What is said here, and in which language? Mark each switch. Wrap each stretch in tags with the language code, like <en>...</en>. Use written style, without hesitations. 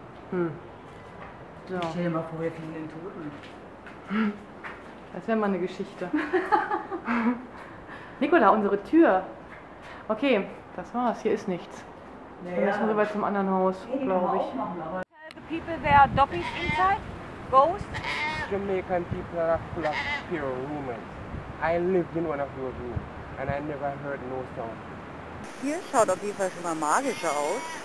<de>So. Ich stell dir mal vor, wir finden den Toten. Das wäre mal eine Geschichte. Nicola, unsere Tür. Okay, das war's. Hier ist nichts. Naja. Dann müssen wir weiter zum anderen Haus, glaube ich.</de> <en>Tell the people there are doppies inside. Ghosts. Jamaican people are full of pure rumors. I lived in one of those rooms and I never heard no sound.</en> <de>Hier schaut auf jeden Fall schon mal magisch aus.</de>